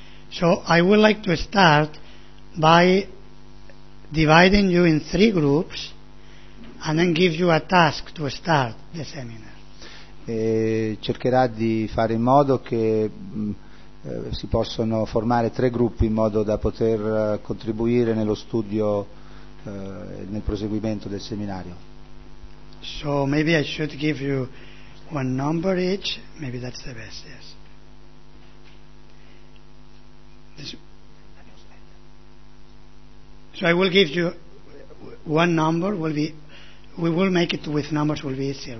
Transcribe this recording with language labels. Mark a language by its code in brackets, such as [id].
[en] So I would like to start by dividing you in three groups and then give you a task to start the seminar. [it] E cercherà di fare in modo che si possano formare tre gruppi in modo da poter contribuire nello studio e nel proseguimento del seminario. [en] So maybe I should give you one number each, maybe that's the best, yes. So I will give you one number, we will make it with numbers, will be easier.